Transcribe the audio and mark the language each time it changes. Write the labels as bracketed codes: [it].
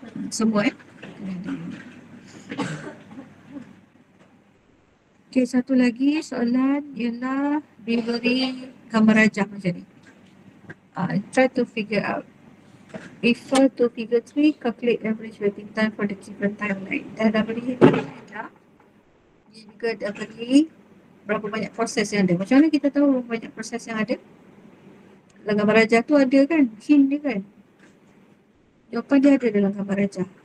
[ms] Semua eh. Okay, satu lagi soalan ialah diberi gambar rajah macam ni. [en] Try to figure out. Refer to figure 3, calculate average waiting time for the given timeline. [ms] Dah beri rajah. Dia juga dah beri berapa banyak proses yang ada. Macam mana kita tahu berapa banyak proses yang ada? dalam gambar rajah tu ada kan, hint dia kan. Jawapan dia ada dalam gambar rajah.